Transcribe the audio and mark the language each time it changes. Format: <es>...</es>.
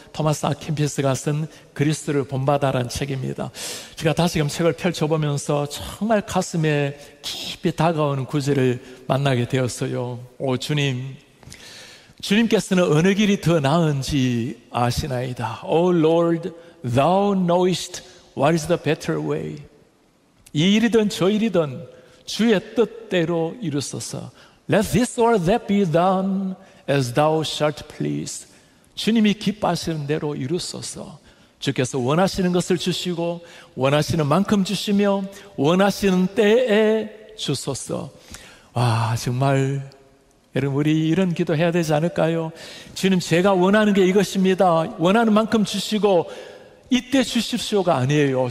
<ko>토마스 아퀸피스가 쓴 그리스도를 본받아라는 책입니다. 제가 다시금 책을 펼쳐보면서 정말 가슴에 깊이 다가오는 구절을 만나게 되었어요. 오 주님, 주님께서는 어느 길이 더 나은지 아시나이다.</ko> <en>Oh Lord, Thou knowest what is the better way.</en> <ko>이 일이든 저 일이든 주의 뜻대로 이루소서.</ko> <en>Let this or that be done as thou shalt please.</en> <ko>주님이 기뻐하시는 대로 이루소서. 주께서 원하시는 것을 주시고 원하시는 만큼 주시며 원하시는 때에 주소서. 와, 정말 여러분 우리 이런 기도해야 되지 않을까요? 주님, 제가 원하는 게 이것입니다. 원하는 만큼 주시고 이때 주십시오가 아니에요.</ko>